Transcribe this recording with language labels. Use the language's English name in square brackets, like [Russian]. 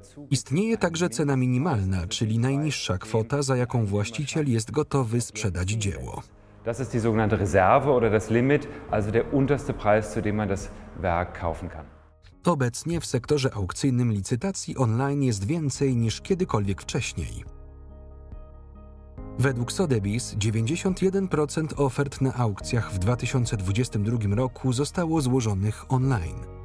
[Polish] Istnieje także cena minimalna, czyli najniższa kwota, za jaką właściciel jest gotowy sprzedać dzieło. [German] Das ist die sogenannte Reserve oder das Limit, also der unterste Preis, zu dem man das Werk kaufen kann. [Polish] Obecnie w sektorze aukcyjnym licytacji online jest więcej niż kiedykolwiek wcześniej. Według Sotheby's 91% ofert na aukcjach w 2022 roku zostało złożonych online.